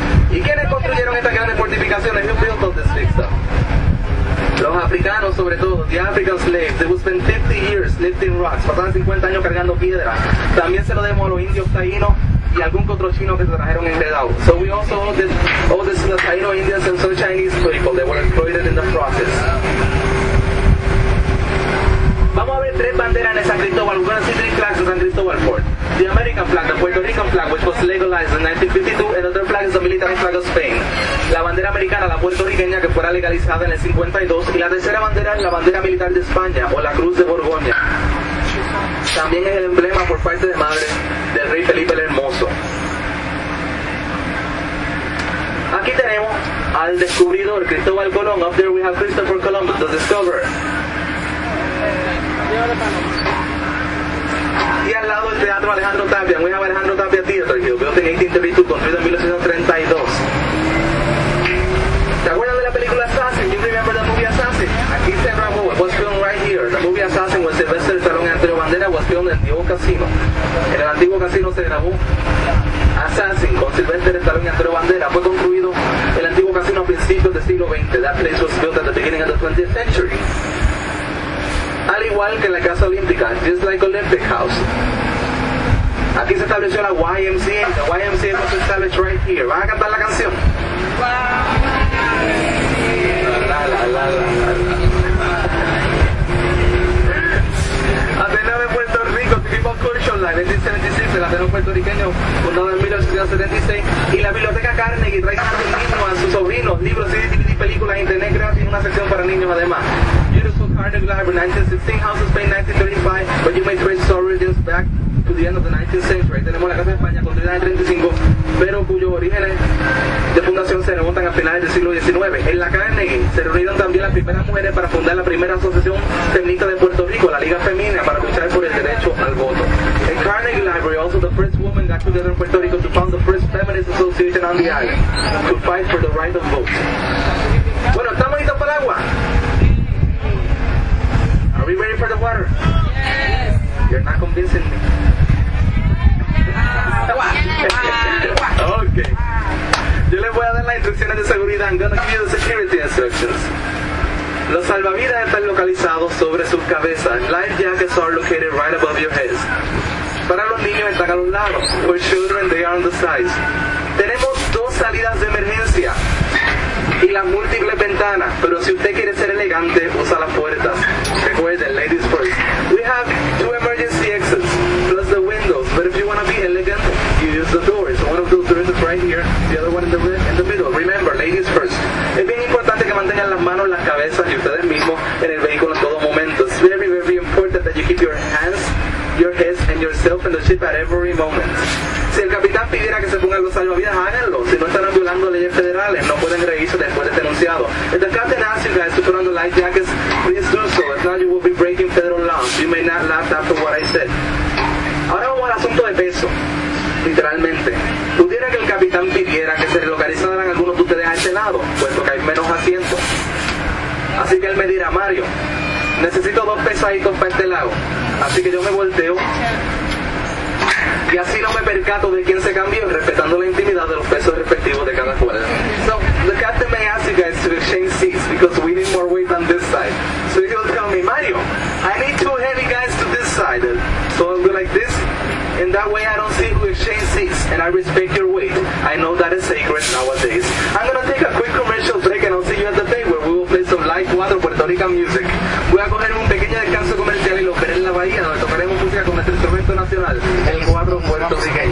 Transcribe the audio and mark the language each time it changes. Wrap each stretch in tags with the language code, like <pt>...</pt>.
<es>¿Y quiénes construyeron estas grandes fortificaciones?</es> <en>Who built all this big stuff?</en> <es>Los africanos, sobre todo,</es> <en>the African slaves, they would spend 50 years lifting rocks,</en> <es>pasaban 50 años cargando piedra. También se lo debemos a los indios taínos y algún otro chino que se trajeron enredado.</es> <en>So we also owe this to the Taino Indians and some Chinese people that were included in the process.</en> <es>Vamos a ver tres banderas en San Cristóbal.</es> <en>We're going to see three flags in San Cristóbal Fort. The American flag, the Puerto Rican flag, which was legalized in 1952, and the other flag is the military flag of Spain.</en> <es>La bandera americana, la puertorriqueña, que fuera legalizada en el 52, y la tercera bandera es la bandera militar de España, o la Cruz de Borgoña. También es el emblema por parte de madre del rey Felipe el Hermoso. Aquí tenemos al descubridor Cristóbal Colón.</es> <en>Up there we have Christopher Columbus, the discoverer.</en> <es>Y al lado el teatro Alejandro Tapia.</es> <en>We have Alejandro Tapia Theater here, built in 1832,</en> <es>construido en 1832. ¿Te acuerdas de la película Assassin?</es> <en>You remember the movie Assassin?</en> <es>Aquí se grabó.</es> <en>It was filmed right here. The movie Assassin with Sylvester Stallone y Antonio Banderas was filmed</en> <es>en el antiguo casino. En el antiguo casino se grabó Assassin con Sylvester Stallone y Antonio Banderas. Fue construido el antiguo casino a principios del siglo XX.</es> <en>That place was built at the beginning of the 20th century.</en> <es>Al igual que la Casa Olímpica,</es> <en>just like Olympic House.</en> <es>Aquí se estableció la YMCA.</es> <en>La YMCA was established right here.</en> <es>¿Van a cantar la canción? Ateneo de Puerto Rico, tipo Cultural Line, 1976, el Ateneo puertorriqueño, fundado en 1876, y la Biblioteca Carnegie trae a sí mismo a sus sobrinos, libros, CD, DVD, películas, internet gratis, una sección para niños además.</es> <en>Beautiful Carnegie Library, 1916, House of Spain, 1935, but you may trace its origins back to the end of the 19th century.</en> <es>Tenemos la Casa de España, construida en el 35, pero cuyos orígenes de fundación se remontan a finales del siglo XIX. En la Carnegie se reunieron también las primeras mujeres para fundar la primera asociación feminista de Puerto Rico, la Liga Femina, para luchar por el derecho al voto.</es> <en>En Carnegie Library, also the first woman got together in Puerto Rico to found the first feminist association on the island to fight for the right of vote.</en> <es>Bueno, ¿estamos listos para el agua?</es> <en>Are we ready for the water? Yes. You're not convincing me.</en> <es>Okay. Yo les voy a dar las instrucciones de seguridad.</es> <en>I'm gonna give you the security instructions.</en> <es>Los salvavidas están localizados sobre sus cabezas.</es> <en>Life jackets are located right above your heads.</en> <es>Para los niños están a los lados.</es> <en>For children, they are on the sides.</en> <es>Tenemos dos salidas de emergencia y las múltiples ventanas. Pero si usted quiere ser elegante, usa las puertas. Recuerden,</es> <en>ladies first. We have two emergency exits plus the windows. But if you want to be elegant, you use the doors. One of those doors is right here. The other one in the middle. Remember, ladies first.</en> <es>Es bien importante que mantengan las manos, las cabezas y ustedes mismos en el vehículo en todo momento.</es> <en>It's very, very important that you keep your hands, your heads, and yourself in the ship at every moment.</en> <es>Si el capitán pidiera que se pongan los salvavidas, háganlo. Si no estarán violando leyes federales, no pueden reírse después de denunciado.</es> <en>If the captain asks you guys to put on the life jackets, please do so. If not, you will be breaking federal laws. You may not laugh after what I said.</en> <es>Ahora vamos al asunto de peso. Literalmente. ¿Pudiera que el capitán pidiera que se relocalizaran algunos de ustedes a este lado, puesto que hay menos asientos? Así que él me dirá, Mario, necesito dos pesaditos para este lado. Así que yo me volteo. Y así no me percato de quién se cambió, respetando la intimidad de los pesos respectivos de cada cual.</es> <en>So, the captain may ask you guys to exchange seats, because we need more weight on this side. So he'll tell me, Mario, I need two heavy guys to this side. So I'll go like this, and that way I don't see who exchange seats, and I respect your weight. I know that is sacred nowadays. I'm gonna take a quick commercial break, and I'll see you at the bay, where we will play some live 4 Puerto Rican music.</en> <es>Voy a coger un pequeño descanso comercial y lo veré en la bahía, donde tocaremos música con nuestro instrumento nacional, el 4 Puerto Rican.</es>